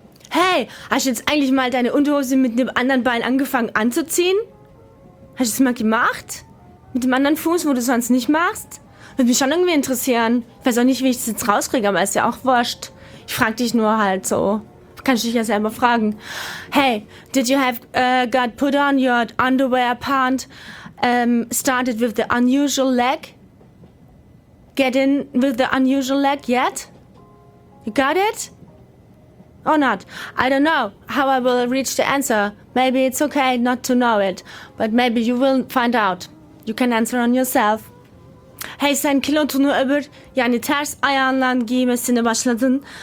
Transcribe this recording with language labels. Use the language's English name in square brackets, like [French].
[German] Hey, hast du jetzt eigentlich mal deine Unterhose mit dem anderen Bein angefangen anzuziehen? Hast du es mal gemacht? Mit dem anderen Fuß, wo du sonst nicht machst? Würde mich schon irgendwie interessieren. Ich weiß auch nicht, wie ich das jetzt rauskriege, aber ist ja auch wurscht. Ich frag dich nur halt so. Kannst dich ja selber fragen. [English] Hey, did you have got put on your underwear pant started with the unusual leg? Get in with the unusual leg yet? You got it? Or not. I don't know how I will reach the answer. Maybe it's okay not to know it. But maybe you will find out. You can answer on yourself. [Turkish] Hey, sen kilotunu öbür, yani ters ayağınla giymesini başladın.